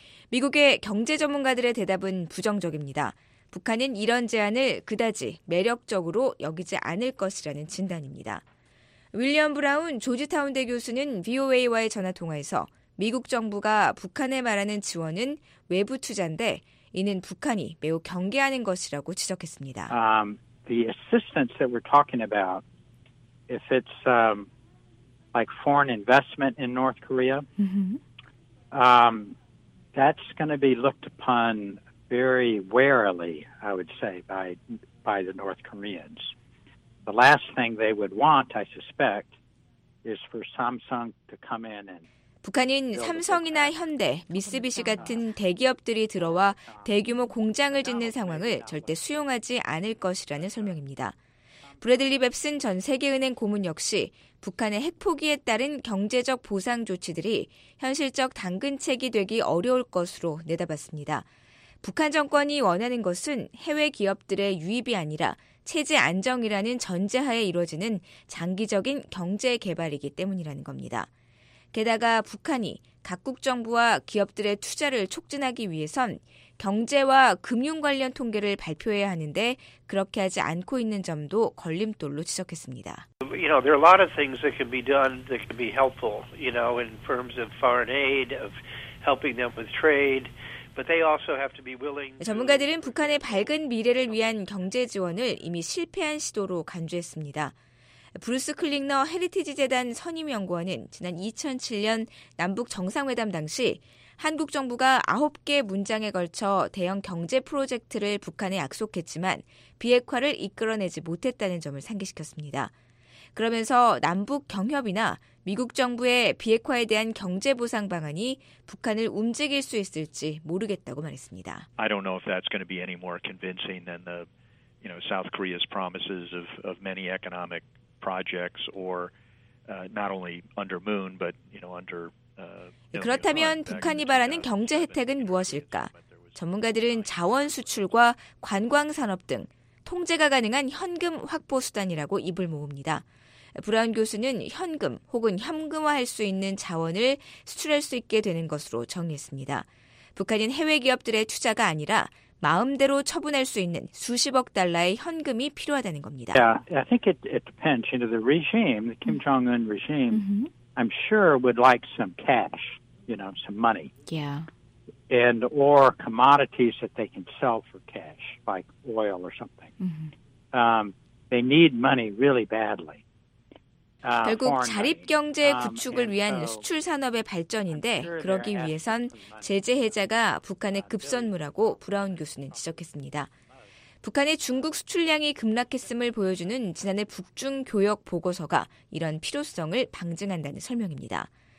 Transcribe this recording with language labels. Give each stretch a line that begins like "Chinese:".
Korean: 미국의 경제 전문가들의 대답은 부정적입니다. 북한은 이런 제안을 그다지 매력적으로 여기지 않을 것이라는 진단입니다. 윌리엄 브라운 조지타운대 교수는 VOA와의 전화통화에서 미국 정부가 북한에 말하는 지원은 외부 투자인데 이는 북한이 매우 경계하는 것이라고 지적했습니다.
English: The assistance that we're talking about, if it's like foreign investment in North Korea, that's going to be looked upon very warily, I would say, by the North Koreans. The last thing they would want, I suspect, is for Samsung to come in and.
Korean: 북한은 삼성이나 현대, 미쓰비시 같은 대기업들이 들어와 대규모 공장을 짓는 상황을 절대 수용하지 않을 것이라는 설명입니다. 브래들리 뱁슨 전 세계은행 고문 역시 북한의 핵포기에 따른 경제적 보상 조치들이 현실적 당근책이 되기 어려울 것으로 내다봤습니다. 북한 정권이 원하는 것은 해외 기업들의 유입이 아니라 체제 안정이라는 전제하에 이루어지는 장기적인 경제 개발이기 때문이라는 겁니다. 게다가 북한이 각국 정부와 기업들의 투자를 촉진하기 위해선 경제와 금융 관련 통계를 발표해야 하는데 그렇게 하지 않고 있는 점도 걸림돌로 지적했습니다.
English: You know, there are a lot of things that can be done that can be helpful, you know, in terms of foreign aid, of helping them with trade. But they also have to be willing.
Korean: 전문가들은 북한의 밝은 미래를 위한 경제 지원을 이미 실패한 시도로 간주했습니다. 브루스 클링너 헤리티지 재단 선임연구원은 지난 2007년 남북정상회담 당시 한국 정부가 9개 문장에 걸쳐 대형 경제 프로젝트를 북한에 약속했지만 비핵화를 이끌어내지 못했다는 점을 상기시켰습니다. 그러면서 남북 경협이나 미국 정부의 비핵화에 대한 경제 보상 방안이 북한을 움직일 수 있을지 모르겠다고 말했습니다.
English: I don't know if that's going to be any more convincing than the, you know, South Korea's promises of many economic projects or not only under Moon but you know under
Korean: 그렇다면 북한이 바라는 경제 혜택은 무엇일까? 전문가들은 자원 수출과 관광 산업 등 통제가 가능한 현금 확보 수단이라고 입을 모읍니다. 브라운 교수는 현금 혹은 현금화할 수 있는 자원을 수출할 수 있게 되는 것으로 정의했습니다. 북한은 해외 기업들의 투자가 아니라 마음대로 처분할 수 있는 수십억 달러의 현금이 필요하다는 겁니다.
English: Yeah, I think it depends. You know, the regime, the Kim Jong-un regime, I'm sure would like some cash, you know, some money. Yeah. And or commodities that they can sell for cash, like oil or something. Mm-hmm. They need money really badly.
Korean: 결국 자립경제 구축을 위한 수출 산업의 발전인데 그러기 위해선 제재 해제가 북한의 급선무라고 브라운 교수는 지적했습니다. 북한의 중국 수출량이 급락했음을 보여주는 지난해 북중 교역 보고서가 이런 필요성을 방증한다는 설명입니다.